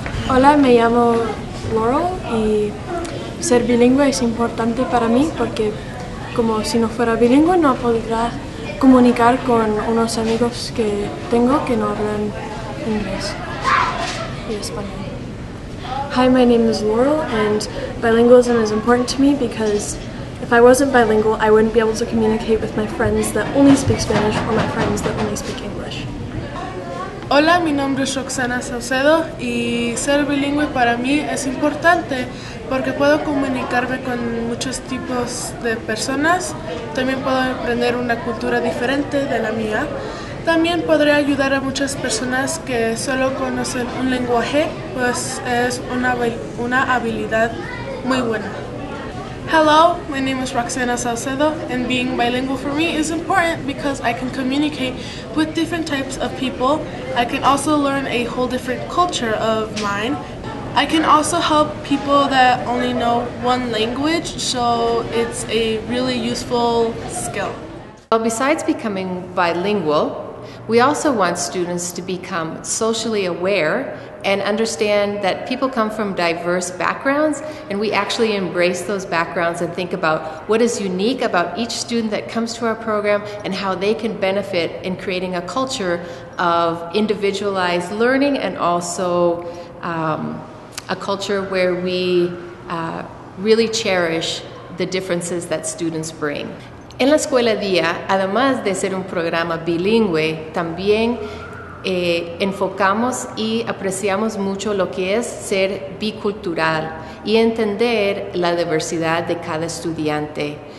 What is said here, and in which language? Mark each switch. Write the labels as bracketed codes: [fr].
[es] Hola, me llamo Laurel y ser bilingüe es importante para mí porque, como si no fuera bilingüe, no podría comunicar con unos amigos que tengo que no hablan inglés y español. [en] Hi, my name is Laurel, and bilingualism is important to me because if I wasn't bilingual, I wouldn't be able to communicate with my friends that only speak Spanish or my friends that only speak English. [es] Hola, mi nombre es Roxana Saucedo, y ser bilingüe para mí es importante porque puedo comunicarme con muchos tipos de personas, también puedo aprender una cultura diferente de la mía, también podré ayudar a muchas personas que solo conocen un lenguaje, pues es una habilidad muy buena. [en] Hello, my name is Roxana Saucedo, and being bilingual for me is important because I can communicate with different types of people. I can also learn a whole different culture of mine. I can also help people that only know one language, so it's a really useful skill. Well, besides becoming bilingual, we also want students to become socially aware and understand that people come from diverse backgrounds, and we actually embrace those backgrounds and think about what is unique about each student that comes to our program and how they can benefit in creating a culture of individualized learning, and also a culture where we really cherish the differences that students bring. [es] En la Escuela Día, además de ser un programa bilingüe, también enfocamos y apreciamos mucho lo que es ser bicultural y entender la diversidad de cada estudiante.